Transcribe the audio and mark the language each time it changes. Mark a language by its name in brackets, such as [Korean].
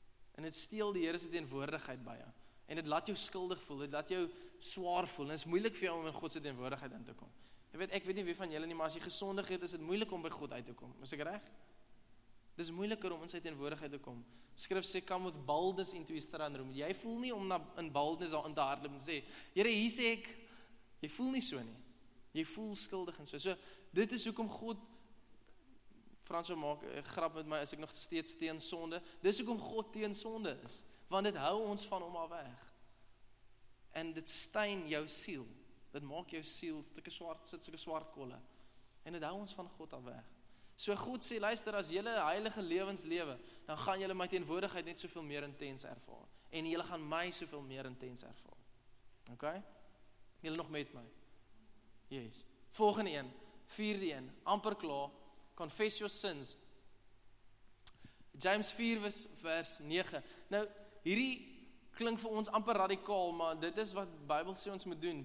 [Afrikaans] En dit steel die Here se teenwoordigheid by jou. En dit laat jou skuldig voel, dit laat jou swaar voel. En dit is moeilik vir jou om in God se teenwoordigheid in te kom. Ek weet nie wie van julle nie, maar as jy gesondig het, is dit moeilik om by God uit te kom. Is ek reg? Dis moeiliker om in sy teenwoordigheid te kom. Skrif sê, [English] come with baldness into his throne room. [Afrikaans] Jy voel nie om in baldness daar in te hardloop en sê, Here, hier sê ek, jy voel nie so nie. Jy voel skuldig en so. So, dit is hoekom God, Frans wil maak, grap met my, is ek nog steeds teen sonde. Dis hoekom God teen sonde is. Want dit hou ons van hom af weg. En dit stein jou siel. Dit maak jou siel stukke swart, sit stukke swart kolle. En dit hou ons van God af weg. So God sê, luister, as julle heilige lewens lewe, dan gaan julle my teenwoordigheid net soveel meer intens ervaar. En julle gaan my soveel meer intens ervaar. Ok? Julle nog met my? Yes. Volgende een, vierde een, amper klaar, [English] confess your sins. [Afrikaans] James 4 vers 9. Nou, hierdie klink vir ons amper radikaal, maar dit is wat die Bybel sê ons moet doen.